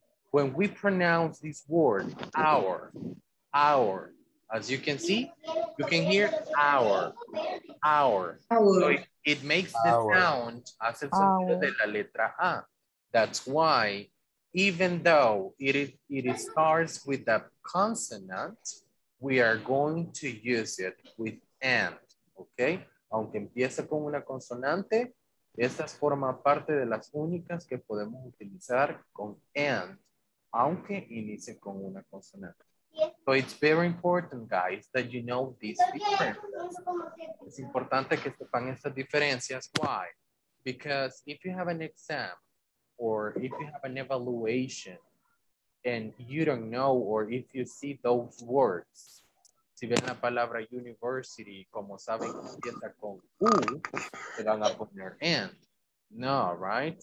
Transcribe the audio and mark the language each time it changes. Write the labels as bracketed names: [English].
[English] When we pronounce this word, our, our, as you can see, you can hear our, our. Our. So it makes the our sound, [Spanish] hace el sonido our de la letra A. [English] That's why, even though it starts with a consonant, we are going to use it with N, okay? [Spanish] Aunque empiece con una consonante, estas forman parte de las únicas que podemos utilizar con N, aunque inicie con una consonante. [English] So it's very important, guys, that you know these differences. [Spanish] Es importante que sepan estas diferencias. [English] Why? Because if you have an exam, or if you have an evaluation and you don't know, or if you see those words, [Spanish] si ven la palabra university, como saben que empieza con U, se van a poner N. [English] No, right?